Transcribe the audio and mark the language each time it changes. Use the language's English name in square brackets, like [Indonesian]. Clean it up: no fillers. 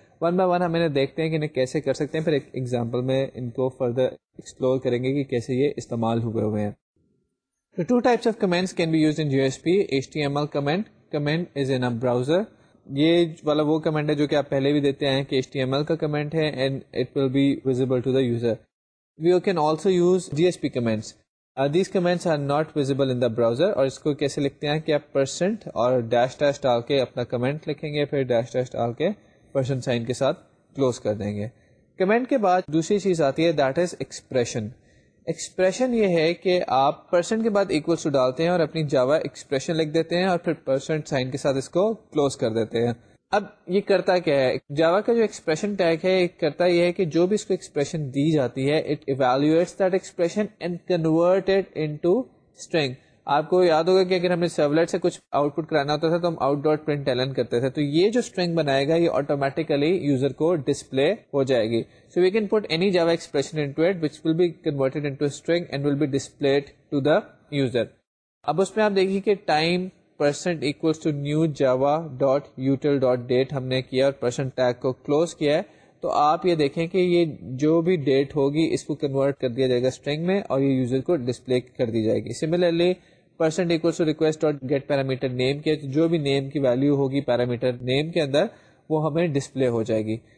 [Urdu] One by one ہم انہیں دیکھتے ہیں کہ انہیں کیسے کر سکتے ہیں, پھر ایک ایگزامپل میں ان کو فردر ایکسپلور کریں گے کہ کیسے یہ استعمال ہوئے ہوئے ہیں. [English] Two types of comments can be used in J S P. H T M L comment, comment is in a browser. [Urdu] یہ والا وہ کمنٹ ہے جو کہ آپ پہلے بھی دیتے ہیں کہ ایچ ٹی ایم ایل کا کمنٹ ہے, [English] And it will be visible to the user. We can also use J S P comments. These comments are not visible in the browser. [Urdu] اور اس کو کیسے لکھتے ہیں کہ آپ پرسنٹ اور ڈیش ڈیش ڈال کے اپنا کمنٹ لکھیں گے, پھر ڈیش ڈیش ڈال کے پرسنٹ سائن کے ساتھ کلوز کر دیں گے. کمنٹ کے بعد دوسری چیز آتی ہے, [English] That is expression. [Urdu] ایکسپریشن یہ ہے کہ آپ پرسنٹ کے بعد ایکولس ڈالتے ہیں اور اپنی جاوا ایکسپریشن لکھ دیتے ہیں, اور پھر پرسنٹ سائن کے ساتھ اس کو کلوز کر دیتے ہیں. اب یہ کرتا کیا ہے, جاوا کا جو ایکسپریشن ٹیگ ہے, کرتا یہ ہے کہ جو بھی اس کو ایکسپریشن دی جاتی ہے, [English] It evaluates that expression and convert it into string. [Urdu] آپ کو یاد ہوگا کہ اگر ہم نے سرولیٹ سے کچھ آؤٹ پٹ کرانا ہوتا تھا تو ہم آؤٹ ڈاٹ پرنٹ ایلن کرتے تھے, تو یہ جو سٹرنگ بنائے گا یہ آٹومیٹیکلی یوزر کو ڈسپلے ہو جائے گی. [English] So we can put any Java expression into it which will be converted into string and will be displayed to the user. [Urdu] اب اس میں آپ دیکھیے کہ time percent equals to new Java dot یوٹیل dot dat ہم نے کیا, اور پرسنٹ ٹیگ کو کلوز کیا ہے. تو آپ یہ دیکھیں کہ یہ جو بھی ڈیٹ ہوگی اس کو کنورٹ کر دیا جائے گا اسٹرنگ میں, اور یہ یوزر کو ڈسپلے کر دی جائے گی. Similarly percent equals to request dot get parameter name, کیا جو بھی نیم کی ویلیو ہوگی پیرامیٹر نیم کے اندر وہ ہمیں ڈسپلے ہو جائے گی.